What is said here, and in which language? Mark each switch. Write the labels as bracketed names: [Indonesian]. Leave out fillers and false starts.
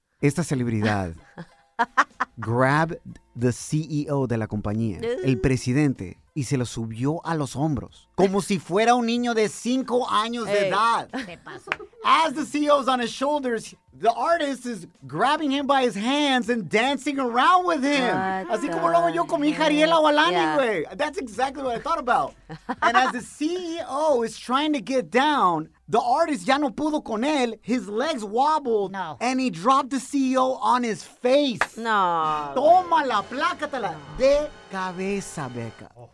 [Spanish] Esta celebridad grabbed the CEO de la compañía, el presidente, y se lo subió a los hombros como si fuera un niño de 5 años de edad. [English] As the CEO is on his shoulders, the artist is grabbing him by his hands and dancing around with him. What [Spanish] así como lo hago yo con mi hija Ariela Walani, güey. [English] That's exactly what I thought about. And as the CEO is trying to get down, The artist [Spanish] ya no pudo con él. [English] His legs wobbled. No. And he dropped the CEO on his face. No. [Spanish] Toma la plácatela de cabeza, Becca.